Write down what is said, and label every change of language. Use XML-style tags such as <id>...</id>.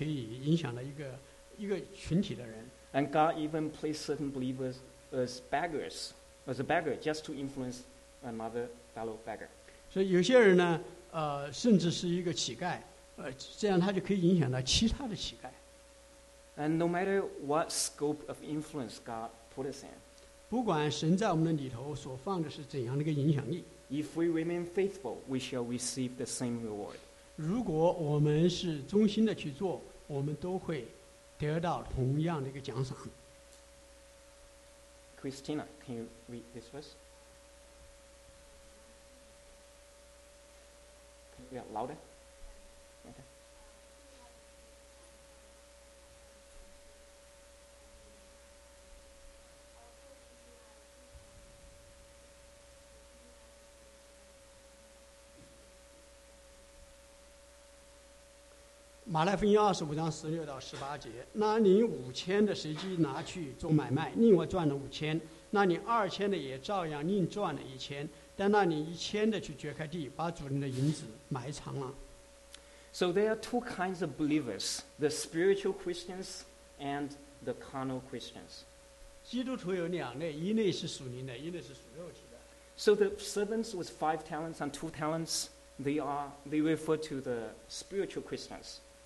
<zh>有些人是有些信徒是一个经理，所以他就可以影响了一个群体的人。</zh> <en>And God even place certain believers as a beggar just to influence another fellow beggar.</en> <zh>所以有些人呢，甚至是一个乞丐，这样他就可以影响到其他的乞丐。</zh> <en>And no matter what scope of influence God put us in,</en> <zh>不管神在我们的里头所放的是怎样的一个影响力，</zh> <en>if we remain faithful, we shall receive the same reward.</en> <zh>如果我们是忠心的去做，我们都会得到同样的一个奖赏。</zh> <en>Christina, can you read this verse? Yeah, louder. Okay.</en> <zh>马来福音25:16-18，那领5000的谁去拿去做买卖，另外赚了5000，那领2000的也照样另赚了1000。但那领1000的去掘开地，把主人的银子埋藏了。</zh> <en>So there are two kinds of believers, the spiritual Christians and the carnal Christians.</en> <zh>基督徒有两类，一类是属灵的，一类是属肉体的。</zh> <en>So the servants with 5 talents and 2 talents, they refer to the spiritual Christians.</en>